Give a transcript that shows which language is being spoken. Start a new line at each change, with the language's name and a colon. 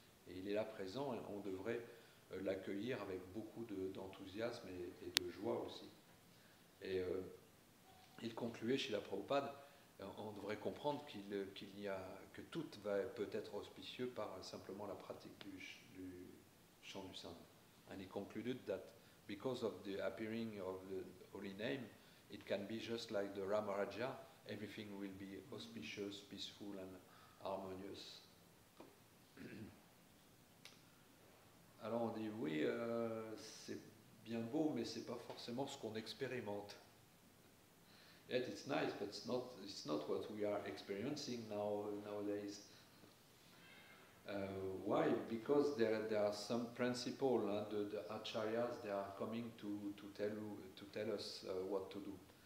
French: Et il est là présent et on devrait l'accueillir avec beaucoup d'enthousiasme et de joie aussi. Et il concluait Srila Prabhupada, on devrait comprendre que tout va peut-être auspicieux par simplement la pratique du chant du saint.
English: And he concluded that because of the appearing of the holy name, it can be just like the Ramaraja, everything will be auspicious, peaceful and harmonious.
French: Alors on dit, oui, c'est bien beau, mais c'est pas forcément ce qu'on expérimente.
English: Yet it's nice, but it's not what we are experiencing nowadays. Why? Because there are some principles. The acharyas, they are coming to tell us what to do.